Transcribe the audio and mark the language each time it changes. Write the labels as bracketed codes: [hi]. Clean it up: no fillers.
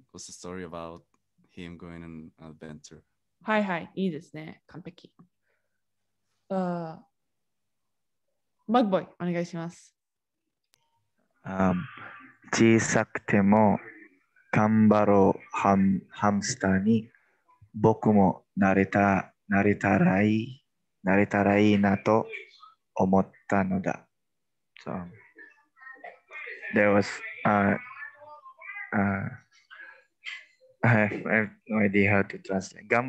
[en] what's the story about him going on an adventure? Hi, hi. [ja] いいですね。完璧。マグボイ、お願いします。小さくても頑張ろうハムスターに僕もなれたらいいなと思ったのだ。 [en] So, there was I have no idea how to translate.